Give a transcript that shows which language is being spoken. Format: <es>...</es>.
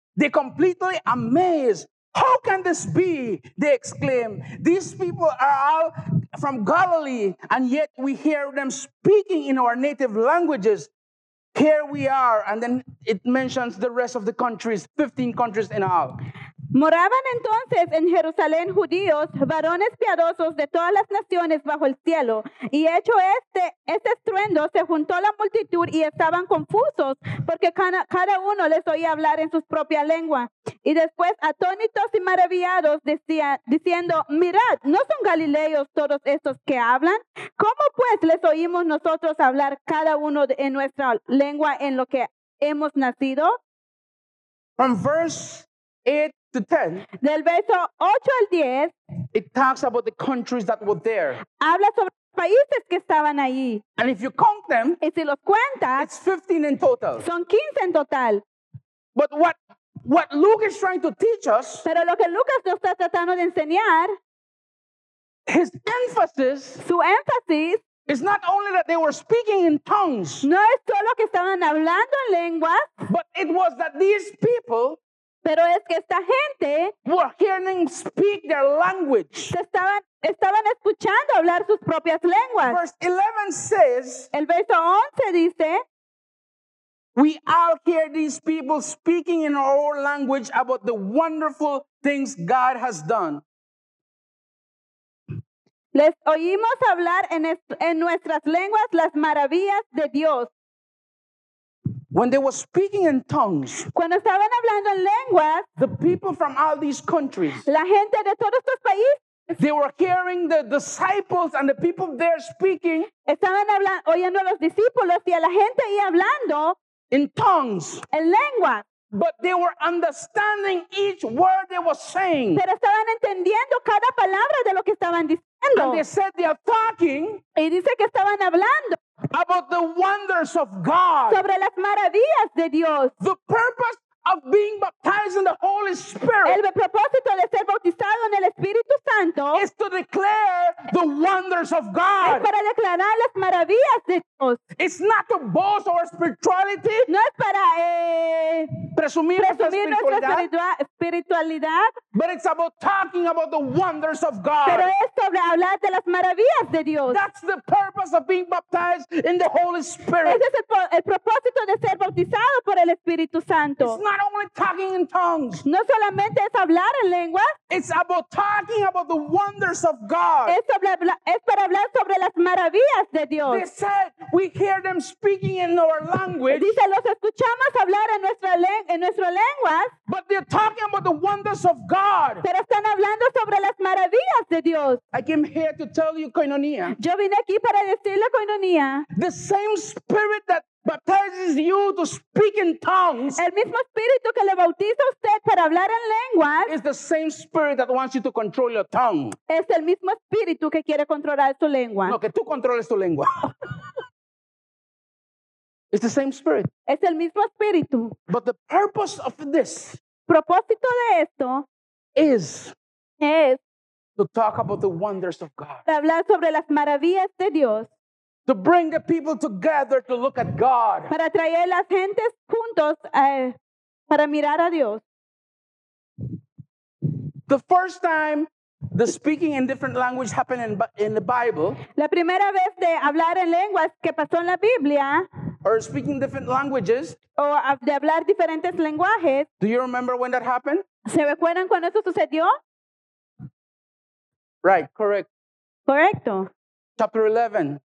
<en>They completely amazed. How can this be? They exclaimed. These people are all from Galilee, and yet we hear them speaking in our native languages. here we are, and then it mentions the rest of the countries, 15 countries in all.</en> <es>Moraban entonces en Jerusalén judíos, varones piadosos de todas las naciones bajo el cielo. Y hecho este estruendo, se juntó la multitud y estaban confusos, porque cada uno les oía hablar en su propia lengua. Y después, atónitos y maravillados, diciendo, mirad, ¿no son galileos todos estos que hablan? ¿Cómo pues les oímos nosotros hablar cada uno en nuestra lengua en lo que hemos nacido?</es> <en>From verse 8 to 10,</en> <es>del verso 8 al 10,</es> <en>it talks about the countries that were there.</en> <es>Habla sobre los países que estaban ahí.</es> <en>And if you count them,</en> <es>y si los cuentas,</es> <en>it's 15 in total.</en> <es>Son 15 en total.</es> <en>But what Luke is trying to teach us,</en> <es>pero lo que Lucas nos está tratando de enseñar,</es> <en>his emphasis,</en> <es>su énfasis,</es> <en>it's not only that they were speaking in tongues.</en> <es>No es solo que estaban hablando en lenguas.</es> <en>But it was that these people,</en> <es>pero es que esta gente,</es> <en>were hearing speak their language.</en> <es>Estaban escuchando hablar sus propias lenguas.</es> <en>Verse 11 says,</en> <es>el verso 11 dice,</es> <en>we all hear these people speaking in our own language about the wonderful things God has done.</en> <es>Les oímos hablar en nuestras lenguas las maravillas de Dios.</es> <en>When they were speaking in tongues,</en> <es>cuando estaban hablando en lenguas,</es> <en>the people from all these countries,</en> <es>la gente de todos estos países,</es> <en>they were hearing the disciples and the people there speaking,</en> <es>estaban oyendo a los discípulos y a la gente ahí hablando,</es> <en>in tongues,</en> <es>en lenguas.</es> <en>But they were understanding each word they were saying.</en> <es>Pero estaban entendiendo cada palabra de lo que estaban diciendo.</es> <en>And they said they are talking,</en> <es>y dice que estaban hablando,</es> <en>about the wonders of God.</en> <es>Sobre las maravillas de Dios.</es> <en>The purpose of being baptized in the Holy Spirit,</en> <es>el propósito de ser bautizado en el Espíritu Santo,</es> <en>is to declare the wonders of God.</en> <es>Es para declarar las maravillas de Dios.</es> <en>It's not to boast our spirituality.</en> <es>No es para presumir nuestra espiritualidad.</es> <en>But it's about talking about the wonders of God.</en> <es>Pero es sobre hablar de las maravillas de Dios.</es> <en>That's the purpose of being baptized in the Holy Spirit.</en> <es>Ese es el propósito de ser bautizado por el Espíritu Santo.</es> <en>It's not only talking in tongues.</en> <es>No solamente es hablar en lengua.</es> <en>It's about talking about the wonders of God.</en> <es>Es para hablar sobre las maravillas de Dios.</es> <en>They said, we hear them speaking in our language.</en> <es>Dice, los escuchamos hablar en nuestra lengua.</es> <en>But they're talking about the wonders of God.</en> <es>Pero están hablando sobre las maravillas de Dios.</es> <en>I came here to tell you, Koinonia.</en> <es>Yo vine aquí para decirle, Koinonia.</es> <en>The same spirit that baptizes you to speak in tongues,</en> <es>el mismo espíritu que le bautiza usted para hablar en lenguas,</es> <en>is the same spirit that wants you to control your tongue.</en> <es>Es el mismo espíritu que quiere controlar su lengua. No, que tú controles tu lengua.</es> <en>It's the same spirit.</en> <es>Es el mismo espíritu.</es> <en>But the purpose of this,</en> <es>propósito de esto,</es> <en>is to talk about the wonders of God.</en> <es>Para hablar sobre las maravillas de Dios.</es> <en>To bring the people together to look at God.</en> <es>Para traer las gentes juntos para mirar a Dios.</es> <en>The first time the speaking in different language happened in the Bible.</en> <es>La primera vez de hablar en lenguas que pasó en la Biblia.</es> <en>Or speaking different languages.</en> <es>O de hablar diferentes lenguajes.</es> <en>Do you remember when that happened?</en> <es>¿Se recuerdan cuando eso sucedió?</es> <en>Right, correct.</en> <es>Correcto.</es> <en>Chapter 11.</en>